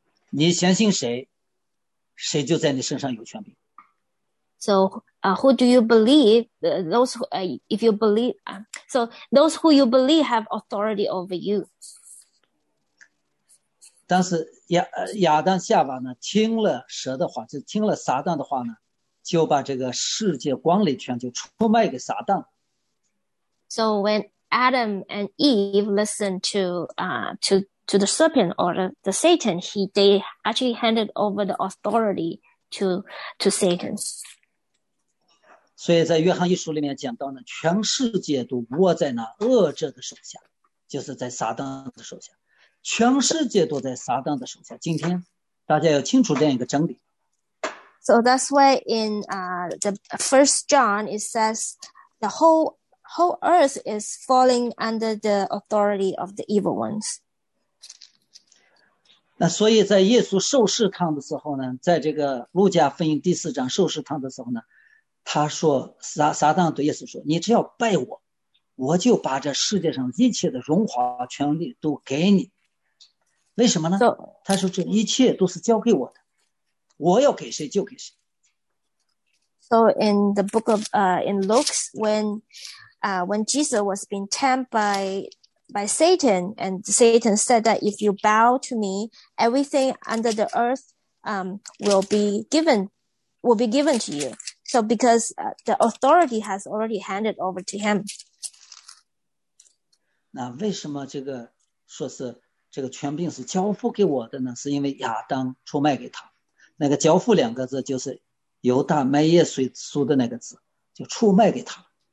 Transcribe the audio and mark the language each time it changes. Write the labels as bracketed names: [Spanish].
[Chinese] 你相信谁，谁就在你身上有权柄。 [English] So who do you believe? If you believe, so those who you believe have authority over you. [Chinese] 但是亚当夏娃呢，听了蛇的话，就听了撒旦的话呢，就把这个世界管理权就出卖给撒旦。 [English] So when Adam and Eve listened to the serpent or the Satan, they actually handed over the authority to Satan. [Chinese] 所以在约翰一书里面讲到呢，全世界都握在那恶者的手下，就是在撒旦的手下，全世界都在撒旦的手下。今天大家要清楚这样一个真理。 [English] So that's why in the first John it says the whole earth is falling under the authority of the evil ones. [Chinese] 那所以在耶稣受试探的时候呢，在这个路加福音第四章受试探的时候呢，他说撒旦对耶稣说，你只要拜我，我就把这世界上一切的荣华权力都给你。为什么呢？他说这一切都是交给我的，我要给谁就给谁。 [English] So in the book of in Luke, when Jesus was being tempted by Satan, and Satan said that if you bow to me, everything under the earth will be given to you. So because the authority has already handed over to him. [Chinese] 那为什么这个说是这个权柄是交付给我的呢？是因为亚当出卖给他。那个交付两个字就是犹大卖耶稣的那个字，就出卖给他。